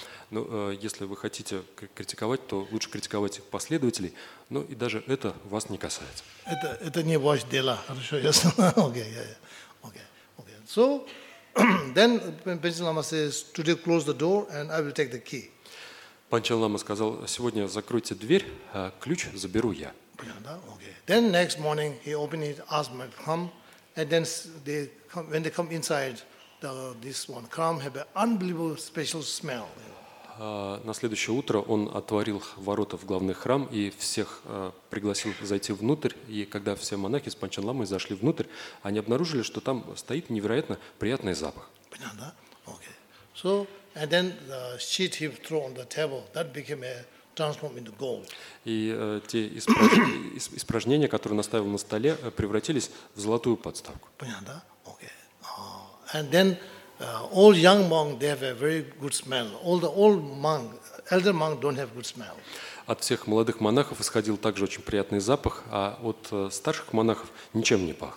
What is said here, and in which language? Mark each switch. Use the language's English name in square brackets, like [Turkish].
[Russian] Ну, если вы хотите критиковать, то лучше критиковать их последователей. Но и даже это вас не касается. Это не ваше дело. Хорошо, ясно. [English] Okay. So then Panchen Lama says, "Today close the door, and I will take the key." [Russian] Панчен Лама сказал: "Сегодня закройте дверь, а ключ заберу я." Понятно. [English] Okay. Then next morning he opened it, asked my Kram, and then they come, when they come inside the this one, Kram have an unbelievable special smell. [Russian] На следующее утро он отворил ворота в главный храм и всех пригласил зайти внутрь. И когда все монахи с Панчен Ламой зашли внутрь, они обнаружили, что там стоит невероятно приятный запах. Понятно, да? [English] Okay. So, and then the sheet he threw on the table, that became a transform into gold. [Russian] И те испражнения, которые он оставил на столе, превратились в золотую подставку. Понятно, да? [English] Okay. And then all young monks, they have a very good smell. All the old monks, elder monks don't have good smell. [Russian] От всех молодых монахов исходил также очень приятный запах, а от старших монахов ничем не пах.